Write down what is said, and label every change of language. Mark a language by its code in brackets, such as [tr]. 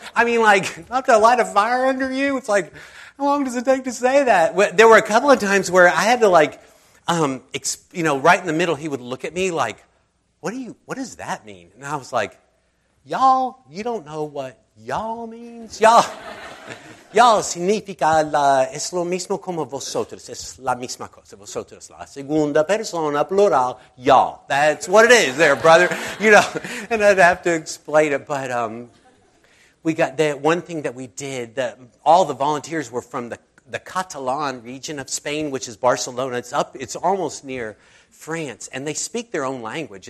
[en] I mean, like, not to light a fire under you." It's like, how long does it take to say that? There were a couple of times where I had to, like, right in the middle, he would look at me like, what does that mean? And I was like, "Y'all, you don't know what y'all means? [es] Y'all significa es lo mismo como vosotros. Es la misma cosa. Vosotros la segunda persona plural. [en] Y'all. That's what it is there, brother." You know, and I'd have to explain it. But we got that one thing that we did. All the volunteers were from the Catalan region of Spain, which is Barcelona. It's up. It's almost near France. And they speak their own language.